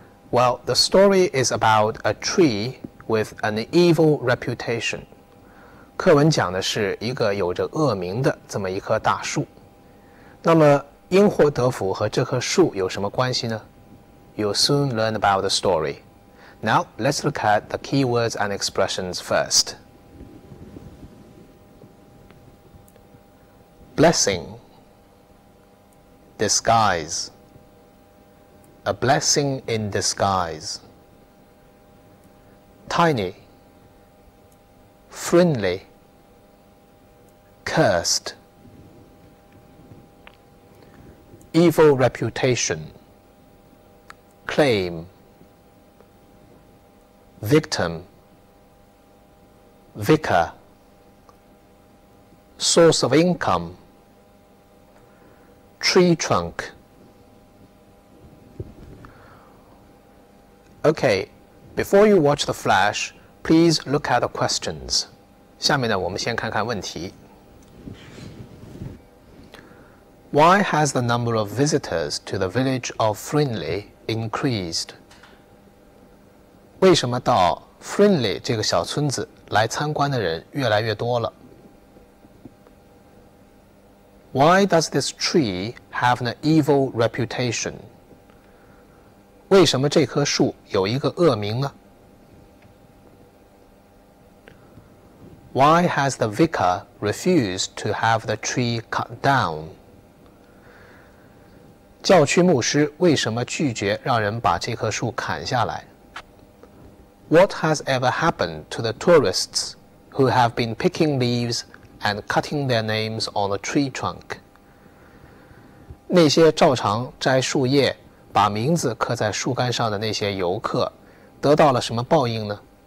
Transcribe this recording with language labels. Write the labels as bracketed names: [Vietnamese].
[English] Well, the story is about a tree with an evil reputation. [Chinese] 课文讲的是一个有着恶名的这么一棵大树。那么，因祸得福和这棵树有什么关系呢？ [English] You'll soon learn about the story. Now, let's look at the keywords and expressions first. Blessing. Disguise. A blessing in disguise. Tiny. Friendly. Cursed. Evil reputation. Claim, victim, vicar, source of income, tree trunk. Okay, before you watch the flash, please look at the questions. [Chinese] 下面呢，我们先看看问题。 [English] Why has the number of visitors to the village of Friendly increased? [Chinese] 为什么到 Friendly 这个小村子来参观的人越来越多了？ [English] Why does this tree have an evil reputation? [Chinese] 为什么这棵树有一个恶名呢？ [English] Why has the vicar refused to have the tree cut down? [Chinese] 教区牧师为什么拒绝让人把这棵树砍下来？ [English] What has ever happened to the tourists who have been picking leaves and cutting their names on the tree trunk? [Chinese] 那些照常摘树叶，把名字刻在树干上的那些游客，得到了什么报应呢？